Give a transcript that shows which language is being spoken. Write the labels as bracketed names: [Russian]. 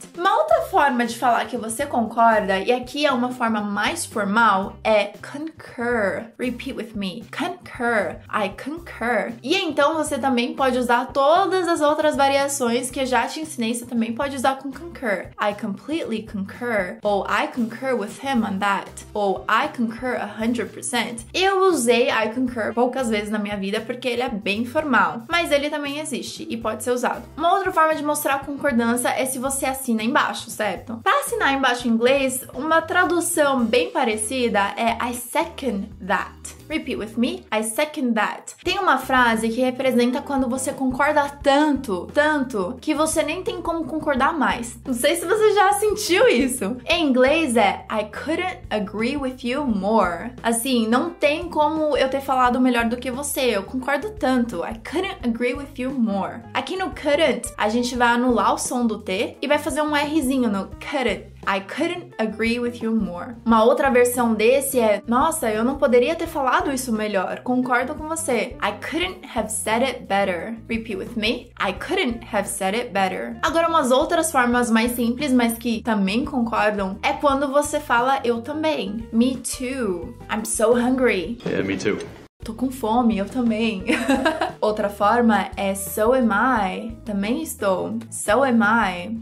[Portuguese] Uma outra forma de falar que você concorda, e aqui é uma forma mais formal, é concur. [English] Repeat with me. Concur. I concur. [Portuguese] E então você também pode usar todas as outras variações que eu já te ensinei, você também pode usar com concur. [English] I completely concur. Ou I concur with him on that. Ou I concur 100%. [Portuguese] Eu usei I concur poucas vezes na minha vida, porque ele é bem formal. Mas ele também existe e pode ser usado. Uma outra forma de mostrar concordância é se você assina embaixo, certo? Pra assinar embaixo em inglês, uma tradução bem parecida é [English] I second that. Repeat with me, I second that. [Portuguese] Tem uma frase que representa quando você concorda tanto, tanto, que você nem tem como concordar mais. Não sei se você já sentiu isso. Em inglês é [English] I couldn't agree with you more. [Portuguese] Assim, não tem como eu ter falado melhor do que você, eu concordo tanto. [English] I couldn't agree with you more. [Portuguese] Aqui no couldn't, a gente vai anular o som do T e vai fazer um Rzinho no couldn't. [English] I couldn't agree with you more. [Portuguese] Uma outra versão desse é: nossa, eu não poderia ter falado isso melhor. Concordo com você. [English] I couldn't have said it better. Repeat with me. I couldn't have said it better. [Portuguese] Agora, umas outras formas mais simples, mas que também concordam, é quando você fala eu também. [English] Me too. I'm so hungry. Yeah, me too. [Portuguese] Tô com fome, eu também. Outra forma é [English] so am I, [Portuguese] também estou, so am I.